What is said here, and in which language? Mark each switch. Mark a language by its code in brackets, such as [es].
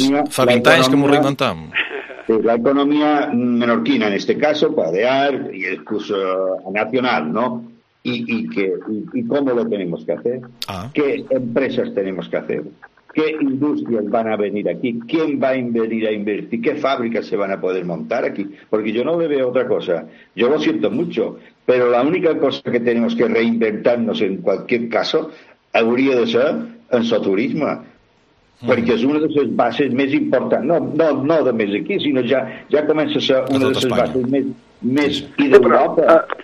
[ca] Fa 20 anys que m'ho reinventam. [es] La economia menorquina, en este caso, padear, y incluso nacional, ¿no? ¿Y cómo lo tenemos que hacer? Ah. ¿Qué empresas tenemos que hacer? ¿Qué industrias van a venir aquí? ¿Quién va a venir a invertir? ¿Qué fábricas se van a poder montar aquí? Porque yo no le veo otra cosa. Yo lo siento mucho, pero la única cosa que tenemos que reinventarnos en cualquier caso [ca] hauria de ser en el turisme. Perquè és una de les bases més importants, no només aquí, sinó ja comença a ser una de les bases més i d'Europa.